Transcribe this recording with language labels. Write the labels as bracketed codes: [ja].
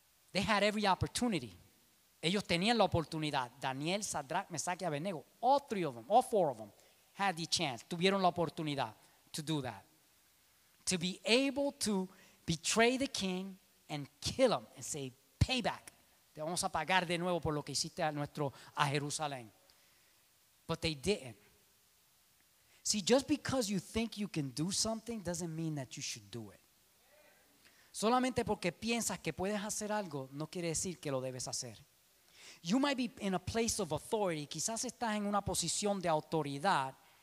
[en] They had every opportunity. [es] Ellos tenían la oportunidad. [en] Daniel, Sadrach, Mesach y Abednego. All three of them, all four of them had the chance. [es] Tuvieron la oportunidad [en] to do that. To be able to betray the king and kill him and say, payback. [es] Te vamos a pagar de nuevo por lo que hiciste a Jerusalén. [en] But they didn't. See, just because you think you can do something doesn't mean that you should do it. [es] Solamente porque piensas que puedes hacer algo no quiere decir que lo debes hacer. [en] You might be in a place of authority. [es] Quizás estás en una posición de autoridad.